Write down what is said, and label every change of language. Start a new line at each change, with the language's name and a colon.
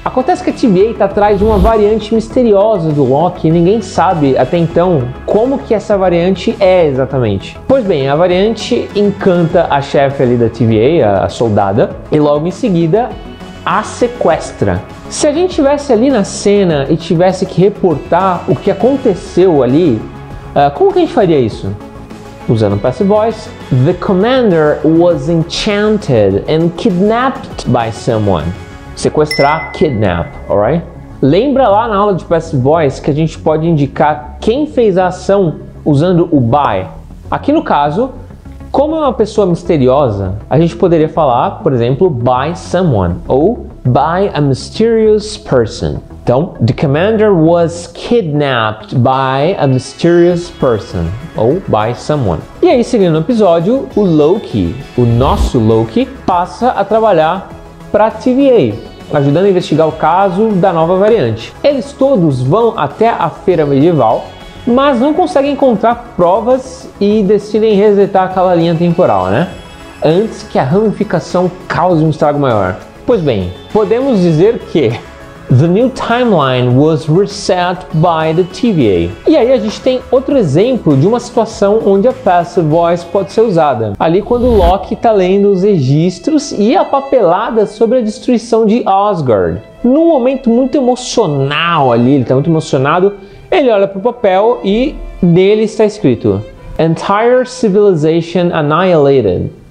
Portuguese: Acontece que a TVA está atrás de uma variante misteriosa do Loki e ninguém sabe, até então, como que essa variante é exatamente. Pois bem, a variante encanta a chefe ali da TVA, a soldada, e logo em seguida, a sequestra. Se a gente estivesse ali na cena e tivesse que reportar o que aconteceu ali, como que a gente faria isso? Usando o
English: passive voice: The commander was enchanted and kidnapped by someone.
Portuguese: Sequestrar,
English: kidnap, alright?
Portuguese: Lembra lá na aula de passive voice que a gente pode indicar quem fez a ação usando o by? Aqui no caso, como é uma pessoa misteriosa, a gente poderia falar, por exemplo,
English: by someone
Portuguese: ou
English: by a mysterious person.
Portuguese: Então,
English: the commander was kidnapped by a mysterious person
Portuguese: ou
English: by someone.
Portuguese: E aí, seguindo o episódio, o Loki, o nosso Loki, passa a trabalhar para a TVA, ajudando a investigar o caso da nova variante. Eles todos vão até a Feira Medieval, mas não conseguem encontrar provas e decidem resetar aquela linha temporal, né? Antes que a ramificação cause um estrago maior. Pois bem, podemos dizer que
English: the new timeline was reset by the TVA.
Portuguese: E aí a gente tem outro exemplo de uma situação onde a passive voice pode ser usada. Ali quando o Loki está lendo os registros e a papelada sobre a destruição de Asgard. Num momento muito emocional ali, ele está muito emocionado, ele olha para o papel e nele está escrito:
English: Entire civilization annihilated.